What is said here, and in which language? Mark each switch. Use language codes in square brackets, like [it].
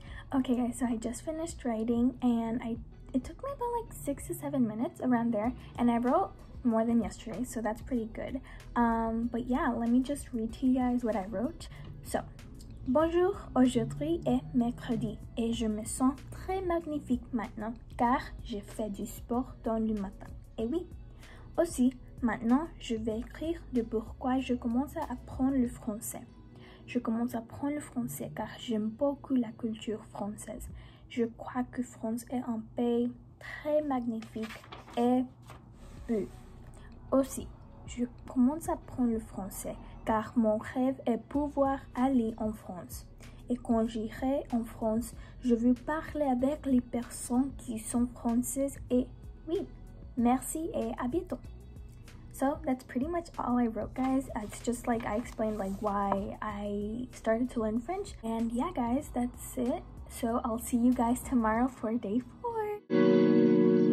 [en] Okay guys, so I just finished writing and it took me about like 6 to 7 minutes around there, and I wrote more than yesterday, so that's pretty good. But yeah, let me just read to you guys what I wrote. [fr] So, bonjour, aujourd'hui est mercredi et je me sens très magnifique maintenant car j'ai fait du sport dans le matin. Et oui, aussi, maintenant je vais écrire de pourquoi je commence à apprendre le français. Je commence à apprendre le français car j'aime beaucoup la culture française. Je crois que France est un pays très magnifique et beau. Aussi, je commence à apprendre le français car mon rêve est pouvoir aller en France. Et quand j'irai en France, je veux parler avec les personnes qui sont françaises et oui, merci et à bientôt. [en] So that's pretty much all I wrote, guys. It's just like I explained like why I started to learn French. And yeah, guys, that's it. So I'll see you guys tomorrow for day 4.